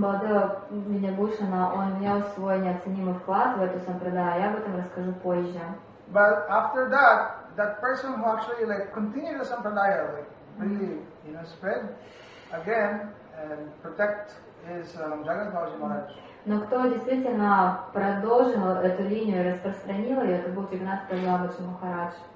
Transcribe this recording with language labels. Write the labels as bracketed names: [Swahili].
[Russian] Baladev Vidyabhushan, он внес свой неоценимый вклад в эту сампрадаю. Я об этом расскажу позже. [English] But after that, that person who actually like continued the sampradaya, like really, you know, spread. Again, and protect his Jagannathaji Maharaj. [Russian] Но кто действительно продолжил эту линию и распространил ее, это был Джаганнатхадас Бабаджи Махарадж.